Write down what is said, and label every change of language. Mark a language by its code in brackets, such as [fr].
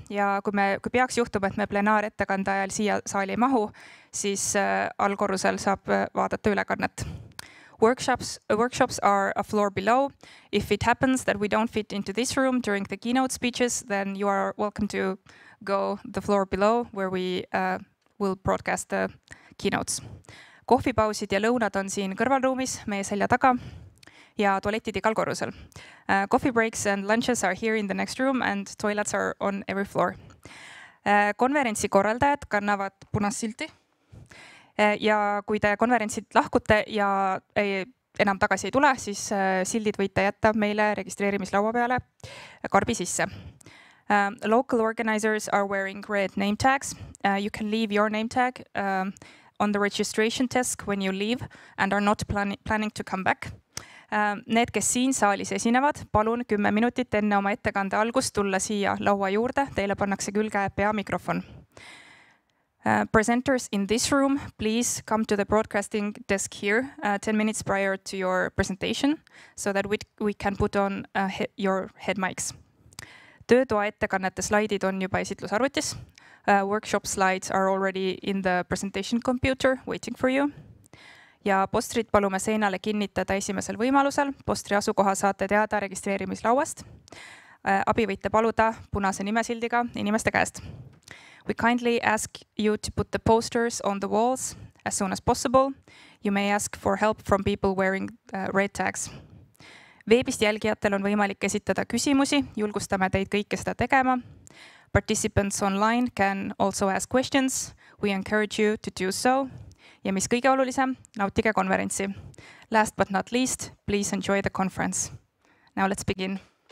[et] Ja kui peaks juhtuma, et me plenaar ettekande ajal siia saali ei mahu, siis allkorrusel saab vaadata ülekannet. [en] Workshops are a floor below. If it happens that we don't fit into this room during the keynote speeches, then you are welcome to go the floor below where we will broadcast the keynotes. [et] Kohvipausid ja lõunad on siin kõrvalruumis, meie selja taga ja toaletid igal korrusel. [en] Coffee breaks and lunches are here in the next room and toilets are on every floor. [et] Konverentsi korraldajad kannavad punast silti. Ja kui te konverentsid lahkute ja enam tagasi ei tule, siis sildid võite jätta meile registreerimislaua peale karbi sisse. [en] Local organizers are wearing red name tags. You can leave your name tag on the registration desk when you leave and are not planning to come back. [et] Need, kes siin saalis esinevad, palun 10 minutit enne oma ettekande algust tulla siia laua juurde. Teile pannakse külge pea mikrofon. [en] Presenters in this room, please come to the broadcasting desk here 10 minutes prior to your presentation so that we can put on your head mics. [et] Töötoa ettekannete slaidid on juba esitlusarvutis. [en] Workshop slides are already in the presentation computer waiting for you. [et] Ja postrit palume seinale kinnitada esimesel võimalusel. Postri asukoha saate teada registreerimislauast. Abi võite paluda punase nimesildiga inimeste käest. [en] We kindly ask you to put the posters on the walls as soon as possible. You may ask for help from people wearing red tags. [et] Veebist jälgijatel on võimalik esitada küsimusi. Julgustame teid kõike seda tegema. [en] Participants online can also ask questions. We encourage you to do so. [et] Ja mis kõige olulisem, nautige konverentsi. [en] Last but not least, please enjoy the conference. Now let's begin.